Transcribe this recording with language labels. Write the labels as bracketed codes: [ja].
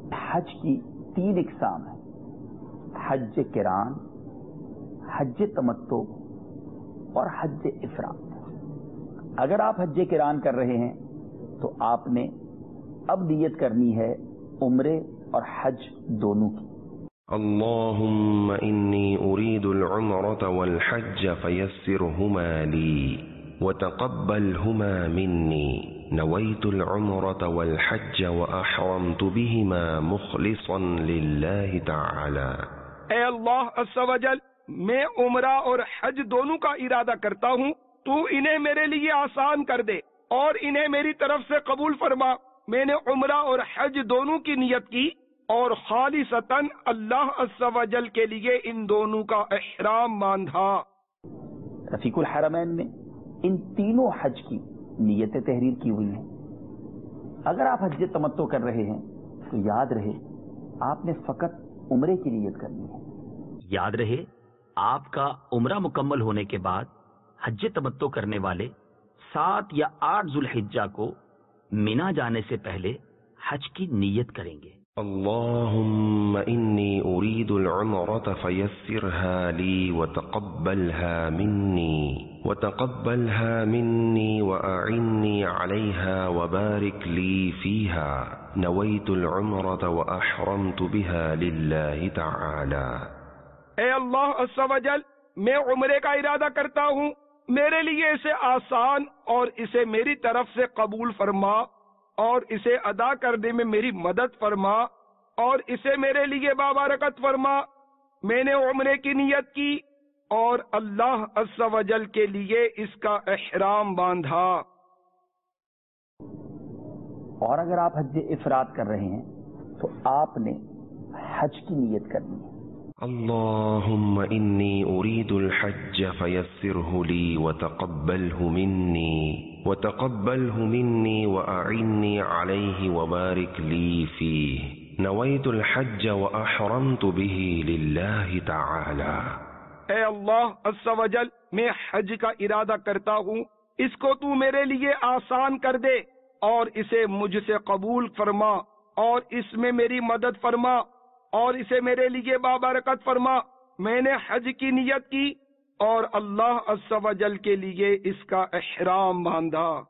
[ur] حج کی تین اقسام ہیں: حج قران، حج تمتو اور حج افراد. اگر آپ حج قران کر رہے ہیں تو آپ نے اب نیت کرنی ہے عمرے اور حج دونوں کی. [ar] اللهم انی اريد العمرة والحج فيسرهما لي وتقبلهما مني، نويت العمرة والحج واحرمت بهما مخلصا لله تعالى. [ur] اے اللہ عز و جل، میں عمرہ اور حج دونوں کا ارادہ کرتا ہوں، تو انہیں میرے لیے آسان کر دے اور انہیں میری طرف سے قبول فرما. میں نے عمرہ اور حج دونوں کی نیت کی اور خالصتاً اللہ عز و جل کے لیے ان دونوں کا احرام باندھا. رفیق الحرمین میں ان تینوں حج کی نیت تحریر کی ہوئی ہیں. اگر آپ حج تمتع کر رہے ہیں تو یاد رہے آپ نے فقط عمرے کی نیت کرنی ہے. یاد رہے آپ کا عمرہ مکمل ہونے کے بعد حج تمتع کرنے والے 7 یا 8 ذوالحجہ کو منیٰ جانے سے پہلے حج کی نیت کریں گے. [ar] اللهم انی اريد العمرة فيسرها لي وتقبلها مني وتقبلها مني واعني عليها وبارك لي فيها نويت العمرة واحرمت بها لله تعالى. [ur] اے اللہ عز و جل میں عمرے کا ارادہ کرتا ہوں، میرے لیے اسے آسان اور اسے میری طرف سے قبول فرما اور اسے ادا کرنے میں میری مدد فرما اور اسے میرے لیے بابرکت فرما. میں نے عمرے کی نیت کی اور اللہ عز و جل کے لیے اس کا احرام باندھا. اور اگر آپ حج افراد کر رہے ہیں تو آپ نے حج کی نیت کرنی ہے. [ar] اللهم اني اريد الحج فيسره لي وتقبله مني وتقبله مني واعني عليه وبارك لي فيه نويت الحج واحرمت به لله تعالى. [ur] اے اللہ عز و جل میں حج کا ارادہ کرتا ہوں، اس کو تو میرے لیے آسان کر دے اور اسے مجھ سے قبول فرما اور اس میں میری مدد فرما اور اسے میرے لیے بابرکت فرما. میں نے حج کی نیت کی اور اللہ عز و جل کے لیے اس کا احرام باندھا.